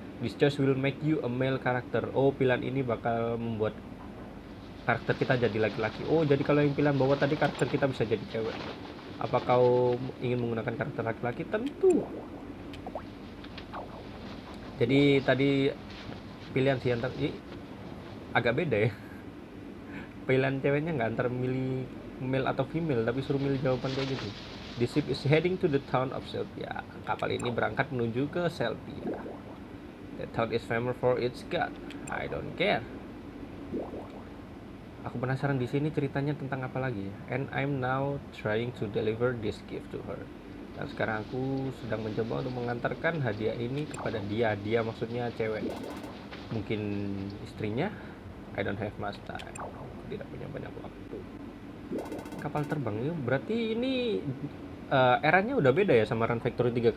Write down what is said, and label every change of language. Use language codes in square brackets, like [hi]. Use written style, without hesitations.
[en] This choice will make you a male character. [id] Oh, pilihan ini bakal membuat karakter kita jadi laki-laki. Oh, jadi kalau yang pilihan bawah tadi karakter kita bisa jadi cewek. Apa kau ingin menggunakan karakter laki-laki? Tentu. Jadi tadi pilihan sih antar agak beda ya. Pilihan ceweknya nggak antar milih male atau female, tapi suruh milih jawaban kayak gitu. [en] The ship is heading to the town of Selpia. [id] Kapal ini berangkat menuju ke Selpia. [en] The town is famous for its god. I don't care. [id] Aku penasaran di sini ceritanya tentang apa lagi. [en] And I'm now trying to deliver this gift to her. [id] Dan sekarang aku sedang mencoba untuk mengantarkan hadiah ini kepada dia. Dia maksudnya cewek. Mungkin istrinya. [en] I don't have much time. [id] Tidak punya banyak waktu. Kapal terbang ya. Berarti ini eranya udah beda ya sama Run Factory 3.